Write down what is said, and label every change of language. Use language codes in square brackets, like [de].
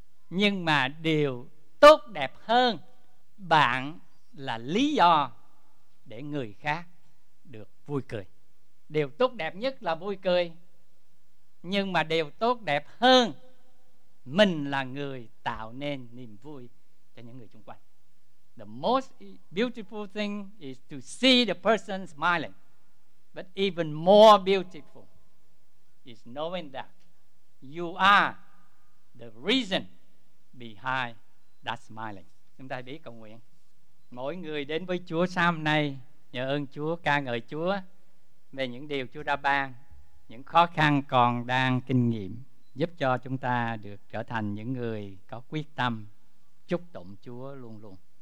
[vi] Nhưng mà điều tốt đẹp hơn, bạn là lý do để người khác được vui cười. Điều tốt đẹp nhất là vui cười, nhưng mà điều tốt đẹp hơn, mình là người tạo nên niềm vui cho những người xung quanh. [en] The most beautiful thing is to see the person smiling. But even more beautiful is knowing that you are the reason behind that smiling. [vi] Chúng ta biết cầu nguyện. Mỗi người đến với Chúa sáng hôm nay, nhờ ơn Chúa, ca ngợi Chúa về những điều Chúa đã ban, những khó khăn còn đang kinh nghiệm, giúp cho chúng ta được trở thành những người có quyết tâm chúc tụng Chúa luôn luôn.